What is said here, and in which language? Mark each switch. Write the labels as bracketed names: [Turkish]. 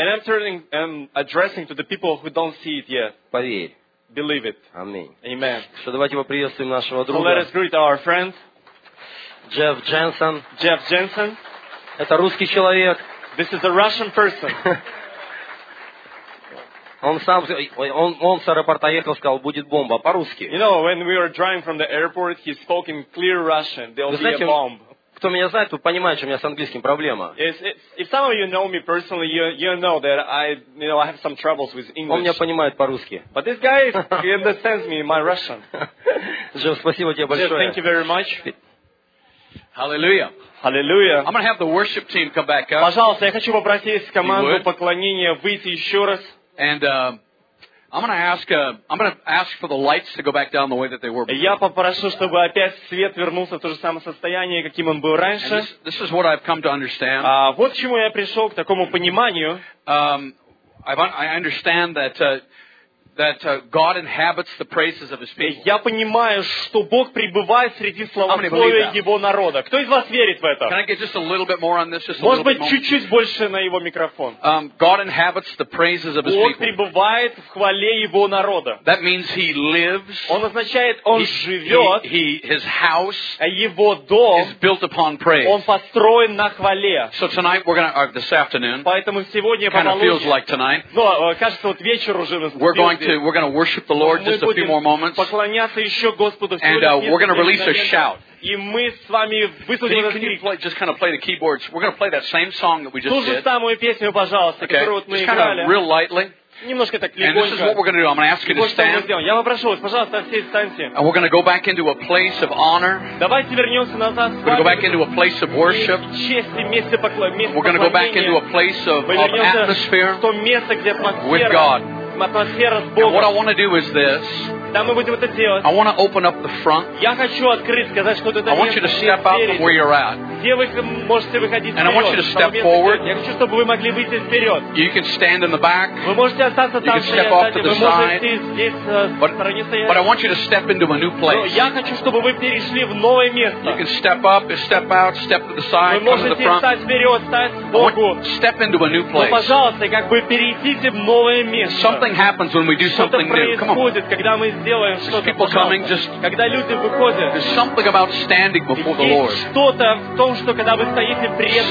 [English] And I'm turning and addressing to the people who don't see it yet. [Russian] Поверь. [English] Believe it. [Russian] Аминь. [English] Amen. [Russian] Что давайте поприветствуем нашего друга. [English] So let us greet our friend. [Russian] Джефф Дженсен. [English] Jeff Jensen. [Russian] Это русский человек. [English] This is a Russian person. [Russian] Он сам, он с аэропорта ехал, сказал, будет бомба, по-русски. [English] You know, when we were driving from the airport, he spoke in clear Russian, there will be a bomb. [Russian] Кто меня знает, тот понимает, что у меня с английским проблема. [English] If some of you know me personally, you know that I, you know, I have some troubles with English. [Russian] Он меня понимает по-русски. [English] But this guy, he understands me, my Russian. [Russian] Джо, спасибо тебе большое. [English] Thank you very much. Hallelujah. Hallelujah. I'm going to have the worship team come back up. [Russian] Пожалуйста, я хочу попросить команду поклонения выйти еще раз. [English] And I'm going to ask for the lights to go back down the way that they were before. [Russian] Я попрошу, чтобы опять свет вернулся в то же самое состояние, каким он был раньше. [English] And this is what I've come to understand. [Russian] Вот к чему я пришел, к такому пониманию. [English] I understand that God inhabits the praises of his people. [Russian] Я понимаю, что Бог пребывает среди славословия его народа. Кто из вас верит в это? [English] Can I get just a little bit more on this? [Russian] Может быть, чуть-чуть больше на его микрофон. [English] God inhabits the praises of his people. [Russian] Бог пребывает в хвале его народа. [English] That means he lives. [Russian] Он означает, он живет. [English] His house. [Russian] Его дом. [English] Is built upon praise. [Russian] Он построен на хвале. [English] So tonight we're gonna, or this afternoon. [Russian] Поэтому сегодня по полудню. [English] Kind of feels like tonight. [Russian] Но, кажется, вот вечер уже наступил. [English] We're going to worship the Lord just a few more moments. And we're going to release a shout. Can you play, just kind of play the keyboards? We're going to play that same song that we just did. Okay. Just kind of real lightly. [Russian] Немножко так легонько. [English] And this is what we're going to do. I'm going to ask you to stand. [Russian] Я попрошу вас, пожалуйста, все встаньте. [English] And we're going to go back into a place of honor. [Russian] Давайте вернемся назад. [English] We're going to go back into a place of worship. [Russian] Чести, место поклонения. [English] We're going to go back into a place of atmosphere [Russian] место, где атмосфера [English] with God. [Russian] Атмосфера с Богом. [English] And what I want to do is this. [Russian] Там мы будем это делать. [English] I want to open up the front. [Russian] Я хочу открыть, сказать, что это место. [English] I want you to step out from where you're at. [Russian] Где вы можете выходить вперед? [English] And I want you to step forward. [Russian] Я хочу, чтобы вы могли выйти вперед. [English] You can stand in the back. [Russian] Вы можете остаться там, стоять сзади. Вы можете здесь, в стороне стоять. [English] But I want you to step into a new place. [Russian] Я хочу, чтобы вы перешли в новое место. [English] You can step up, step out, step to the side, come to the front. [Russian] Вы можете встать вперед, встать сбоку. [English] Step into a new place. [Russian] Пожалуйста, как бы перейдите в новое место. [English] Something happens when we do something new. Come on. [Russian] Когда мы сделаем что-то, [English] people coming, just, [Russian] когда люди выходят, [English] there's something about standing before the Lord. [Russian] Есть что-то в том, что когда вы стоите пред